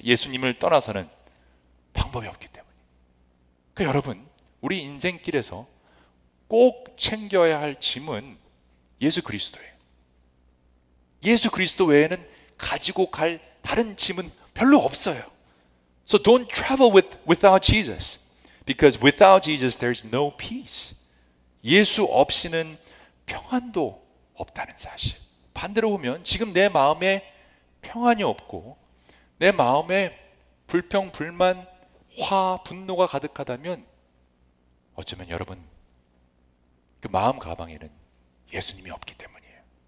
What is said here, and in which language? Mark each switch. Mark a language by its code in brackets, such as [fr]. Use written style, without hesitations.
[ko] 예수님을 떠나서는 방법이 없기 때문에. 그 여러분, 우리 인생길에서 꼭 챙겨야 할 짐은 예수 그리스도예요. 예수 그리스도 외에는 가지고 갈 다른 짐은 별로 없어요. [en] So don't travel without Jesus. Because without Jesus, there is no peace. [ko] 예수 없이는 평안도 없다는 사실. 반대로 보면 지금 내 마음에 평안이 없고 내 마음에 불평, 불만, 화, 분노가 가득하다면 어쩌면 여러분 그 마음 가방에는 예수님이 없기 때문이에요.